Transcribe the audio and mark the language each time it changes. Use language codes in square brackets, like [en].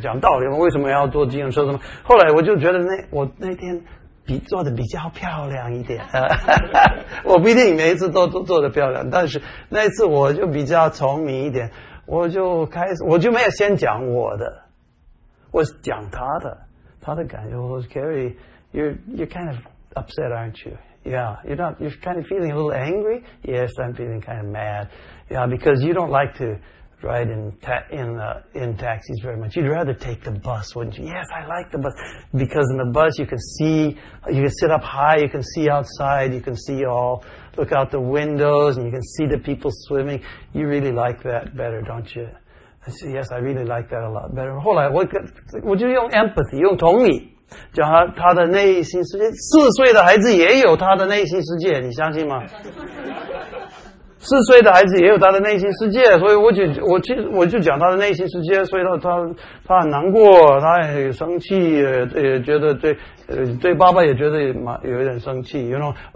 [zh] 讲道理，我为什么要坐计程车什么？后来我就觉得我那天。做的比较漂亮一点，我不一定每一次都做的漂亮，但是那一次我就比较聪明一点，我就没有先讲我的，我讲他的感觉。 [en] 我说 Carrie, you're kind of upset, aren't you? Yeah, you're kind of feeling a little angry. Yes, I'm feeling kind of mad. Yeah, because you don't like to ride in taxis very much. You'd rather take the bus, wouldn't you? Yes, I like the bus. Because in the bus, you can sit up high, you can see outside, you can see all, look out the windows, and you can see the people swimming. You really like that better, don't you? I said, yes, I really like that a lot better. [zh] 后来我就用 empathy, 用同理，讲他的内心世界，四岁的孩子也有他的内心世界，你相信吗？四岁的孩子也有他的内心世界，所以我就讲他的内心世界，所以他很难过，他也生气，也觉得对爸爸也觉得有点生气 ， [en] you know?